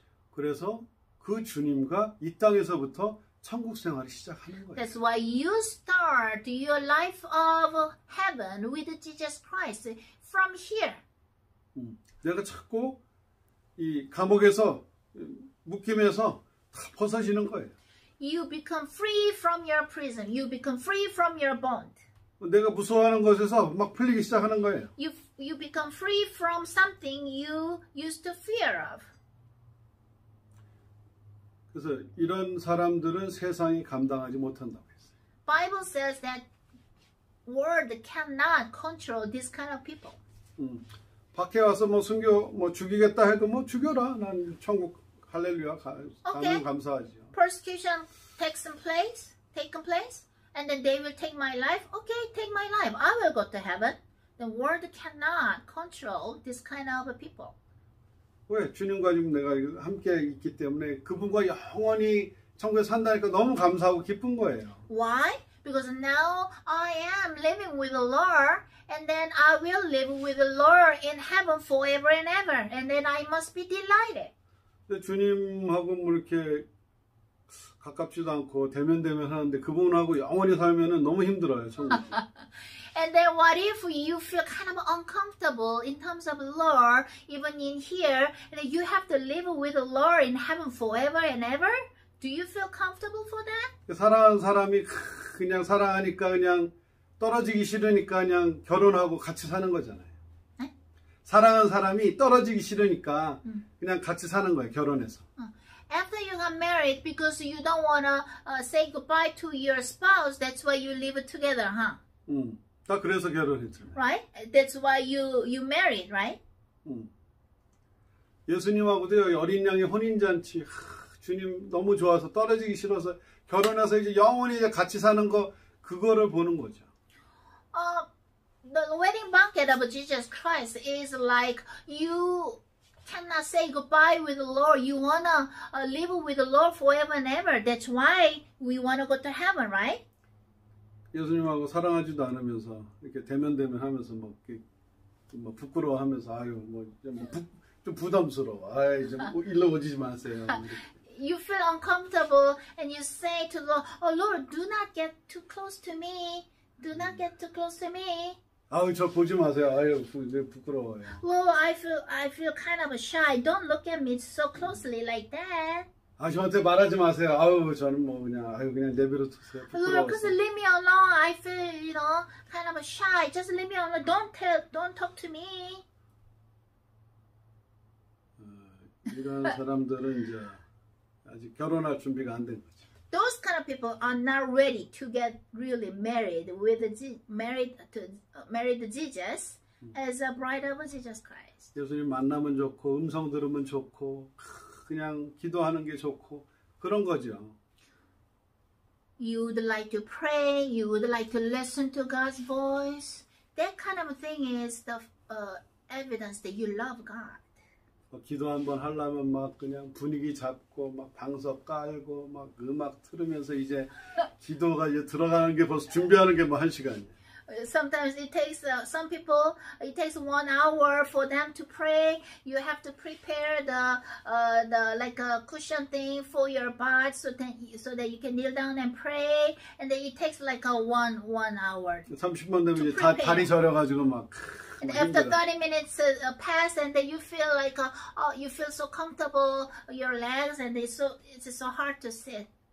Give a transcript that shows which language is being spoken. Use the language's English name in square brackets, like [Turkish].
[Korean] 그래서 그 주님과 이 땅에서부터 천국 생활을 시작하는 거예요. [English] That's why you start your life of heaven with Jesus Christ from here. [Korean] 내가 자꾸 이 감옥에서 묶임에서 다 벗어지는 거예요. [English] You become free from your prison. You become free from your bond. [Korean] 내가 무서워하는 것에서 막 풀리기 시작하는 거예요. [English] You become free from something you used to fear of. [Korean] 그래서 이런 사람들은 세상이 감당하지 못한다고 했어요. [English] Bible says that world cannot control this kind of people. [Korean] 밖에 와서 뭐 순교 뭐 죽이겠다 해도 뭐 죽여라. 난 천국 할렐루야 가면 감사하지요. [English] Persecution takes some place, taken place, and then they will take my life. Okay, take my life. I will go to heaven. The world cannot control this kind of people. [Korean] 왜 주님과 지금 내가 함께 있기 때문에 그분과 영원히 천국에 산다니까 너무 감사하고 기쁜 거예요. [English] Why? Because now I am living with the Lord, and then I will live with the Lord in heaven forever and ever, and then I must be delighted. [Korean] 주님하고 뭐 이렇게 가깝지도 않고 대면대면 하는데 그분하고 영원히 살면은 너무 힘들어요, 천국. [English] And then what if you feel kind of uncomfortable in terms of Lord, even in here, and you have to live with the Lord in heaven forever and ever? Do you feel comfortable for that? [Korean] 사랑하는 사람이 그냥 사랑하니까 그냥 떨어지기 싫으니까 그냥 결혼하고 같이 사는 거잖아요. 네? 사랑하는 사람이 떨어지기 싫으니까 그냥 같이 사는 거예요, 결혼해서. [English] After you got married, because you don't want to say goodbye to your spouse, that's why you live together, huh? [Korean] 나 그래서 결혼했잖아요. [English] Right? That's why you married, right? [Korean] 예수님하고도 어린 양의 혼인잔치, 주님 너무 좋아서 떨어지기 싫어서 결혼해서 이제 영원히 이제 같이 사는 거 그거를 보는 거죠. [English] The wedding banquet of Jesus Christ is like you cannot say goodbye with the Lord. You wanna live with the Lord forever and ever. That's why we wanna go to heaven, right? [Korean] 예수님하고 사랑하지도 않으면서 이렇게 대면대면 하면서 막 이렇게 막 부끄러워하면서 아유 뭐 좀 부담스러워. 아유 이제 뭐 일로 오지 마세요. [English] You feel uncomfortable and you say to the Lord, Oh Lord, do not get too close to me. Do not get too close to me. [Korean] 아유 저 보지 마세요. 아유 이제 부끄러워요. [English] Lord, I feel kind of shy. Don't look at me so closely like that. [Korean] 아, 저한테 말하지 마세요. 아유, 저는 뭐 그냥 아유 그냥 내버려 두세요. 부끄러워서. [English] Lord, leave me alone. I feel, you know, kind of shy. Just leave me alone. Don't talk to me. [Korean] 이런 사람들은 이제 아직 결혼할 준비가 안 된 거죠. [English] Those kind of people are not ready to get really married married Jesus as a bride of Jesus Christ. [Korean] 예수님 만나면 좋고 음성 들으면 좋고 그냥 기도하는 게 좋고 그런 거죠. [English] You would like to pray, you would like to listen to God's voice. That kind of thing is the evidence that you love God. [Korean] 기도 한번 하려면 막 그냥 분위기 잡고 막 방석 깔고 막 음악 틀으면서 이제 기도가 이제 들어가는 게 벌써 준비하는 게 뭐 한 시간이야. [English] Sometimes it takes some people. It takes 1 hour for them to pray. You have to prepare the like a cushion thing for your butt so that you can kneel down and pray. And then it takes like a one hour. [Korean] 30분 되면 이제 다리 저려가지고 막. [English] And after 30 minutes pass, and then you feel like you feel so comfortable your legs, and it's so hard to sit.